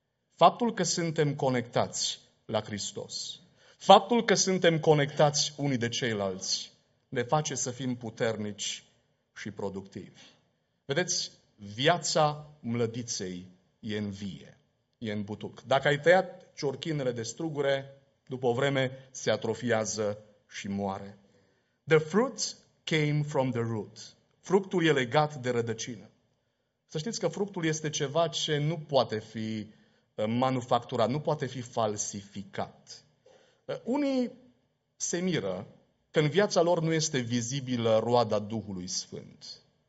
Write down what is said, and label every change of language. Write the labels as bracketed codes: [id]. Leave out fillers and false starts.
[ro] Faptul că suntem conectați la Hristos, faptul că suntem conectați unii de ceilalți, ne face să fim puternici și productivi. Vedeți, viața mlădiței e în vie, e în butuc. Dacă ai tăiat ciorchinele de strugure, după o vreme se atrofiază și moare. [en] The fruit came from the root. [ro] Fructul e legat de rădăcină. Să știți că fructul este ceva ce nu poate fi manufacturat, nu poate fi falsificat. Unii se miră că în viața lor nu este vizibilă roada Duhului Sfânt.